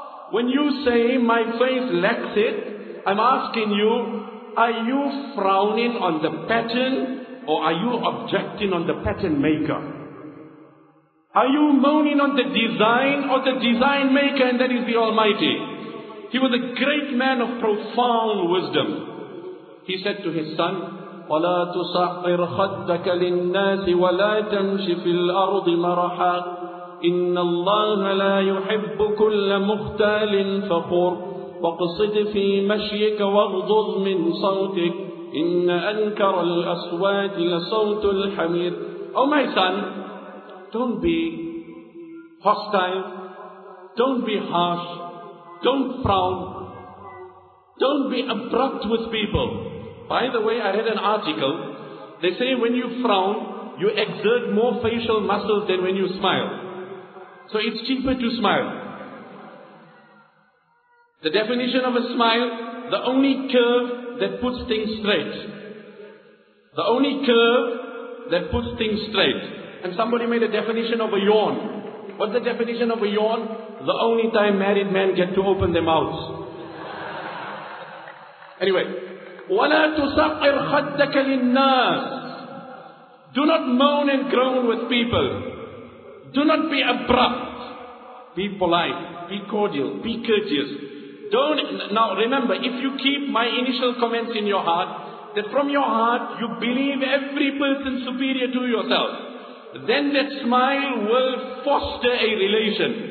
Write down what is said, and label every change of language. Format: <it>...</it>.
<en>When you say my face lacks it, I'm asking you, are you frowning on the pattern? Or are you objecting on the pattern maker? Are you moaning on the design or the design maker, and that is the Almighty? He was a great man of profound wisdom. He said to his son,</en> <ar>وَلَا تُصَعِّرْ خَدَّكَ لِلنَّاسِ وَلَا تَمْشِ فِي الْأَرْضِ مَرَحًا إِنَّ اللَّهَ لَا يُحِبُّ كُلَّ مُخْتَالٍ فَخُورٍ وَقْصِدْ فِي مَشْيِكَ وَاغْضُضْ مِنْ صَوْتِكَ إِنَّ أَنْكَرَ الْأَصْوَاتِ لَصَوْتُ الْحَمِيرِ.</ar> <en>Oh my son, don't be hostile, don't be harsh, don't frown, don't be abrupt with people. By the way, I read an article, they say when you frown, you exert more facial muscles than when you smile. So it's cheaper to smile. The definition of a smile, the only curve that puts things straight. The only curve that puts things straight. And somebody made a definition of a yawn. What's the definition of a yawn? The only time married men get to open their mouths.</en> <ar>Anyway, وَلَا تُسَقِّرْ خَدَّكَ لِلنَّاسِ.</ar> <en>Do not moan and groan with people. Do not be abrupt. Be polite. Be cordial. Be courteous. Now remember, if you keep my initial comments in your heart, that from your heart you believe every person superior to yourself, then that smile will foster a relation.</en>